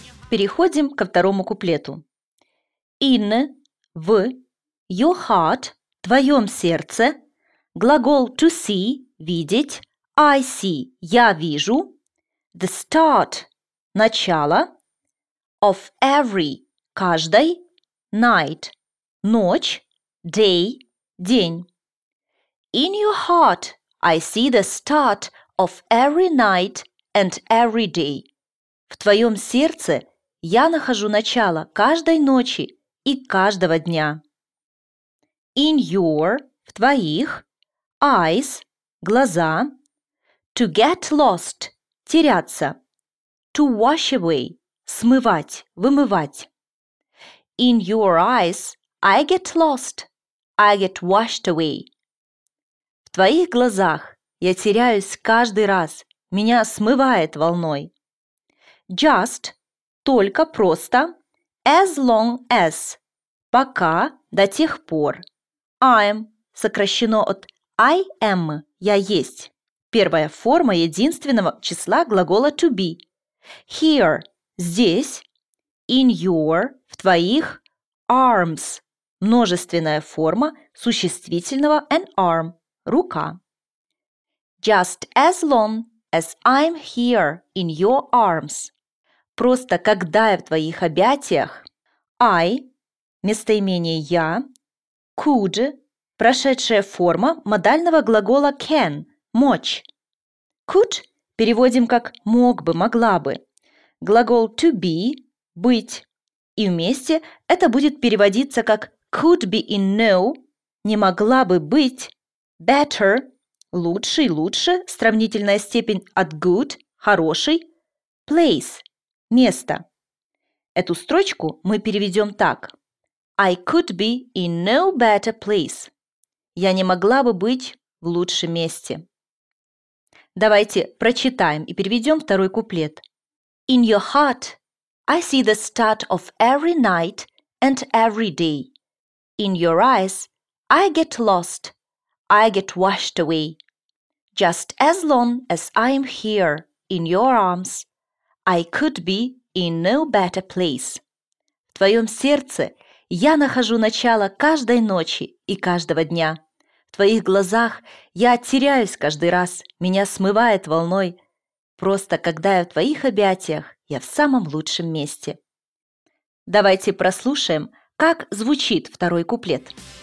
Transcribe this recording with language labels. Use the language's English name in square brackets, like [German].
[Russian] Переходим ко второму куплету. [English] In, в, your heart, [Russian] твоем сердце, [English] глагол to see, видеть, I see, я вижу, the start, начало, of every, каждой, night, ночь, day, день. In your heart, I see the start of every night and every day. [Russian] В твоем сердце я нахожу начало каждой ночи и каждого дня. [English] In your, [Russian] в твоих, [English] eyes, глаза, to get lost, теряться, to wash away, смывать, вымывать. In your eyes, I get lost, I get washed away. [Russian] В твоих глазах я теряюсь каждый раз, меня смывает волной. Just, только, просто, [English] as long as, [Russian] пока, до тех пор. I'm, сокращено от [English] I am, [Russian] я есть. Первая форма единственного числа глагола to be. Here, здесь. [English] In your, [Russian] в твоих, [English] arms. [Russian] Множественная форма существительного an arm, рука. [English] Just as long as I'm here in your arms. [Russian] Просто когда я в твоих объятиях. I, местоимение я. Could, прошедшая форма модального глагола can, мочь. Could переводим как мог бы, могла бы. Глагол to be, быть. И вместе это будет переводиться как [English] could be in no, [Russian] не могла бы быть. Better, лучше и лучше, сравнительная степень от good, хороший. Place, место. Эту строчку мы переведем так. [English] I could be in no better place. [Russian] Я не могла бы быть в лучшем месте. Давайте прочитаем и переведем второй куплет. [English] In your heart, I see the start of every night and every day. In your eyes, I get lost, I get washed away. Just as long as I am here in your arms, I could be in no better place. [Russian] В твоем сердце я нахожу начало каждой ночи и каждого дня. В твоих глазах я теряюсь каждый раз, меня смывает волной. Просто когда я в твоих объятиях, я в самом лучшем месте. Давайте прослушаем, как звучит второй куплет.